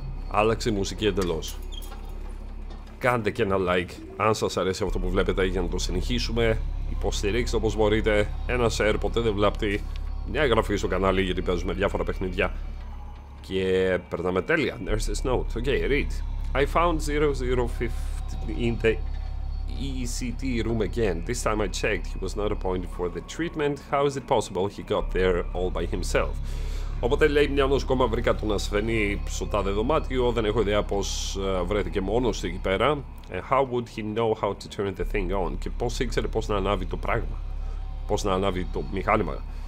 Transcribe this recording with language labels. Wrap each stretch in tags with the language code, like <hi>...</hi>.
<el>Άλλαξε η μουσική εντελώς. Κάντε και ένα like αν σας αρέσει αυτό που βλέπετε για να το συνεχίσουμε. Υποστηρίξτε όπως μπορείτε. Ένα share, ποτέ δεν βλάπτει. Μια εγγραφή στο κανάλι γιατί παίζουμε διάφορα παιχνίδια. Και περνάμε τέλεια.</el> <en>Nurse's note. Ok, read. I found 0015 in the ECT room again. This time I checked. He was not appointed for the treatment. How is it possible he got there all by himself?</en> <el>Οπότε λέει, μια νοσοκόμα βρήκα τον ασθενή στο τάδε δωμάτιο. Δεν έχω ιδέα πως βρέθηκε μόνος εκεί πέρα.</el> <en>And how would he know how to turn the thing on?</en> <el>Και πως ήξερε πως να ανάβει το πράγμα. Πως να ανάβει το μηχάνημα.</el>